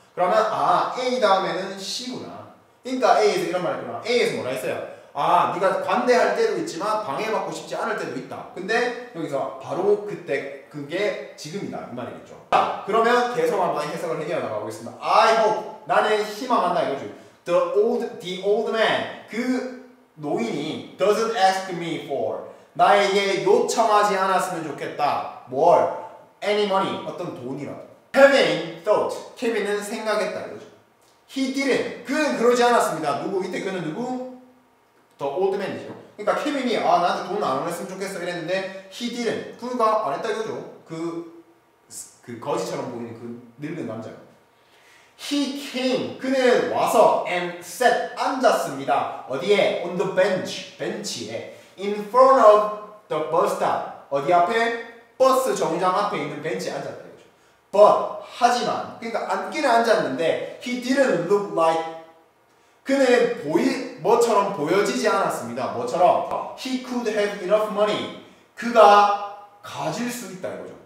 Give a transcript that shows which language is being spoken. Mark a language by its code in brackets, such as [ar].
[ko] 그러면 아 A 다음에는 C구나. 그러니까 A에서 이런 말 했구나. A에서 뭐라 했어요? 아 네가 관대할 때도 있지만 방해받고 싶지 않을 때도 있다. 근데 여기서 바로 그때 그게 지금이다 이 말이겠죠. 자 그러면 계속 한번 해석을 해결해 나가보겠습니다. [en] I hope [ko] 나는 희망한다 이거죠. [en] The old man 그 노인이 doesn't ask me for [ko] 나에게 요청하지 않았으면 좋겠다. [en] More any money 어떤 돈이라도. Kevin thought [ko] 케빈은 생각했다 이거죠. [en] He didn't [ko] 그는 그러지 않았습니다. 누구 이때 그는 누구? [en] The old man이죠. [ko] 그러니까 케빈이 아 나한테 돈 안 했으면 좋겠어 이랬는데 he didn't 그가 안 했다 이거죠. 그 거지처럼 보이는 그 늙은 남자. [en] He came [ko] 그는 와서 [en] and sat 앉았습니다. [ko] 어디에? [en] On the bench 벤치에. In front of the bus stop [ko] 어디 앞에? 버스 정류장 앞에 있는 벤치에 앉았다 이거죠. But 하지만 그러니까 앉기는 앉았는데 [en] he didn't look like [ko] 그는 뭐처럼 보여지지 않았습니다. 뭐처럼 [en] He could have enough money [ko] 그가 가질 수 있다 이거죠.